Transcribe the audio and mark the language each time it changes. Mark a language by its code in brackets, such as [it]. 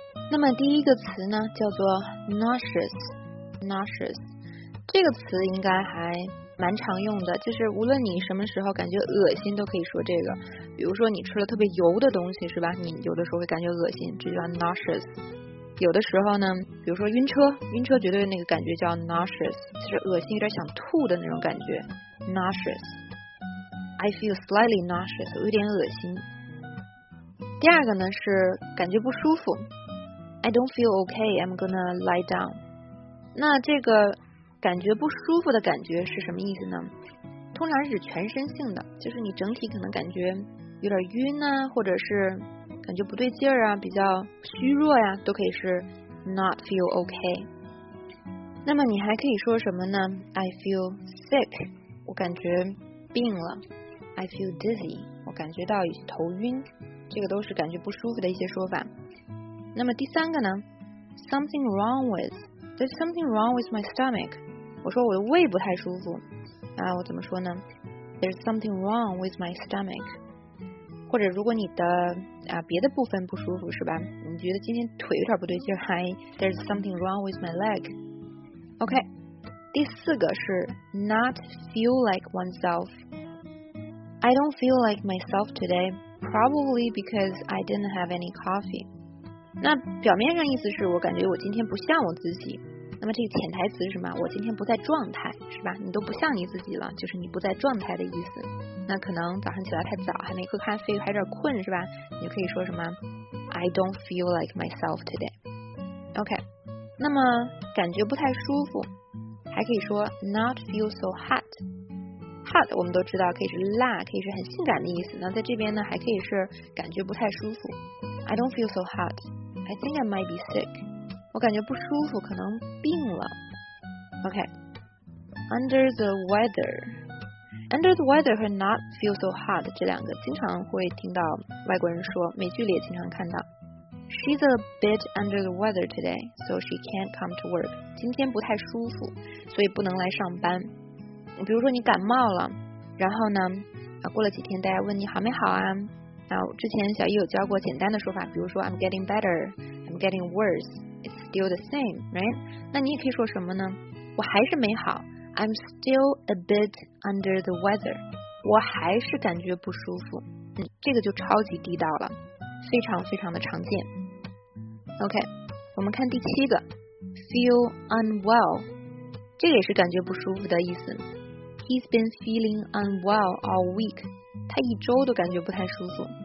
[zh] 那么第一个词呢叫做 nauseous， 这个词应该还蛮常用的，就是无论你什么时候感觉恶心都可以说这个，比如说你吃了特别油的东西，是吧，你有的时候会感觉恶心，这叫 nauseous。有的时候呢，比如说晕车绝对那个感觉叫 nauseous， 就是恶心有点想吐的那种感觉 nauseous。 [en] I feel slightly nauseous， [zh] 有点恶心。第二个呢是感觉不舒服， [en] I don't feel okay, I'm gonna lie down。 [zh] 那这个感觉不舒服的感觉是什么意思呢？通常是全身性的，就是你整体可能感觉有点晕啊，或者是感觉不对劲儿啊，比较虚弱呀，都可以是 not feel okay。那么你还可以说什么呢？ [en] I feel sick, [zh] 我感觉病了。 [en] I feel dizzy, [zh] 我感觉到头晕，这个都是感觉不舒服的一些说法。那么第三个呢， [en] There's something wrong with my stomach， [zh] 我说我的胃不太舒服啊，我怎么说呢？ [en] There's something wrong with my stomach。 [zh] 或者如果你的别的部分不舒服，是吧，你觉得今天腿有点不对劲，还 [en] There's something wrong with my leg。 OK， [zh] 第四个是 [en] Not feel like oneself。 I don't feel like myself today, probably because I didn't have any coffee。 [zh] 那表面上意思是我感觉我今天不像我自己，那么这个潜台词是什么？我今天不在状态，是吧，你都不像你自己了，就是你不在状态的意思。那可能早上起来太早，还没喝咖啡，还有点困，是吧，你可以说什么 [en] I don't feel like myself today。 [zh] OK， 那么感觉不太舒服还可以说 not feel so hot。 hot 我们都知道可以是辣，可以是很性感的意思，那在这边呢还可以是感觉不太舒服。 [en] I don't feel so hot. I think I might be sick. [zh] 我感觉不舒服，可能病了。OK. [en] Under the weather. Under the weather [zh] 和 not feel so hot 这两个经常会听到外国人说，美剧里也经常看到。 [en] She's a bit under the weather today, so she can't come to work. [zh] 今天不太舒服，所以不能来上班。比如说你感冒了，然后呢，过了几天大家问你好没好啊，之前小易有教过简单的说法，比如说 [en] I'm getting better, I'm getting worse, it's still the same, right? [zh] 那你也可以说什么呢？我还是没好， [en] I'm still a bit under the weather, [zh] 我还是感觉不舒服。这个就超级地道了，非常非常的常见。OK， 我们看第七个， feel unwell， 这个也是感觉不舒服的意思。 [en] He's been feeling unwell all week， [zh] 他一周都感觉不太舒服。